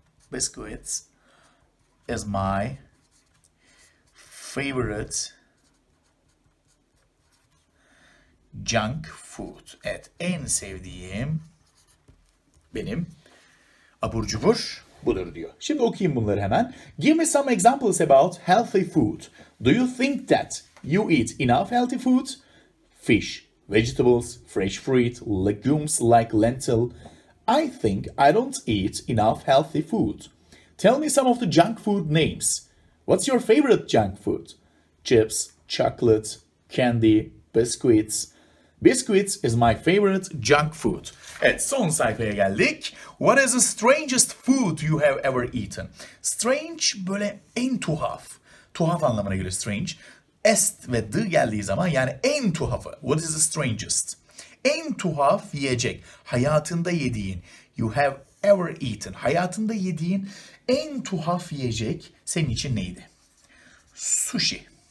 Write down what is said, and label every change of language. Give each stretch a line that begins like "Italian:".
English: Biscuits is my favorite junk food.
Turkish: Evet, en sevdiğim benim abur cubur budur diyor. Şimdi okuyayım bunları hemen.
English: Give me some examples about healthy food. Do you think that you eat enough healthy food? Fish, vegetables, fresh fruit, legumes like lentil. I think I don't eat enough healthy food. Tell me some of the junk food names. What's your favorite junk food? Chips, chocolate, candy, biscuits. Biscuits is my favorite junk food.
Turkish: Evet, son sayfaya geldik.
English: What is the strangest food you have ever eaten?
Turkish: Strange böyle en tuhaf. Tuhaf anlamına göre strange. Est ve d geldiği zaman yani en tuhafı.
English: What is the strangest?
Turkish: En tuhaf yiyecek. Hayatında yediğin.
English: You have ever eaten.
Turkish: Hayatında yediğin en tuhaf yiyecek senin için neydi? Sushi.